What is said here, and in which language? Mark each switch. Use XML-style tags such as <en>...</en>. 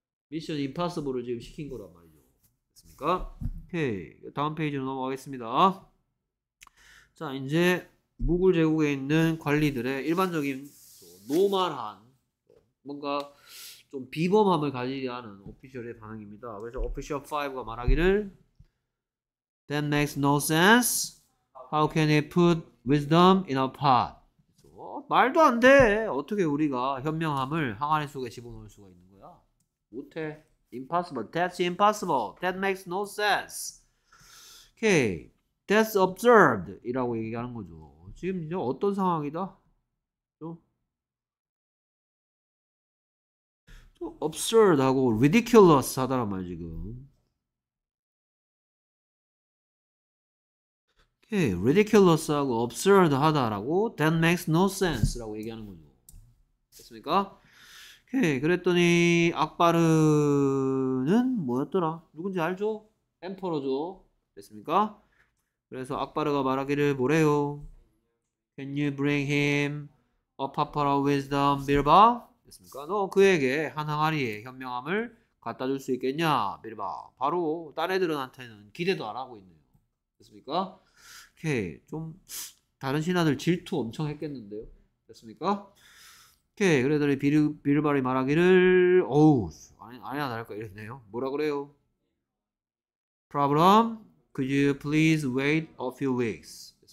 <ko>미션 임파서블을 지금 시킨 거란 말이죠. 됐습니까? 오케이. 다음 페이지로 넘어가겠습니다. 자, 이제 무굴 제국에 있는 관리들의 일반적인 노멀한 뭔가 좀 비범함을 가지게 하는 오피셜의 반응입니다. 그래서 오피셜 5가 말하기를</ko> <en>That makes no sense. How can it put wisdom in a pot?</en> <ko>말도 안 돼. 어떻게 우리가 현명함을 항아리 속에 집어넣을 수가 있는 거야? 못해.</ko> <en>Impossible. That's impossible. That makes no sense.</en> <ko>오케이.</ko> <en>That's observed</en> <ko>이라고 얘기하는 거죠. 지금 이제 어떤 상황이다? 좀 absurd 하고 ridiculous 하다란 말 지금. 오케이, ridiculous 하고 absurd 하다라고</ko> <en>That makes no sense</en> <ko>라고 얘기하는 거죠. 됐습니까? 오케이, 그랬더니 악바르는 뭐였더라? 누군지 알죠? 엠퍼러죠. 됐습니까? 그래서 악바르가 말하기를 뭐래요?</ko> <en>Can you bring him a pot of wisdom, 빌바?</en> <ko>됐습니까? 너 그에게 한 항아리의 현명함을 갖다 줄수 있겠냐, 빌바? 바로 딴 애들한테는 기대도 안 하고 있네요. 됐습니까? 오케이, 좀 다른 신하들 질투 엄청 했겠는데요. 됐습니까? 오케이, 그래더니 빌바리 말하기를 어우, 아니야 다를까 이랬네요. 뭐라 그래요?</ko> <en>Problem? Could you please wait a few weeks?</en>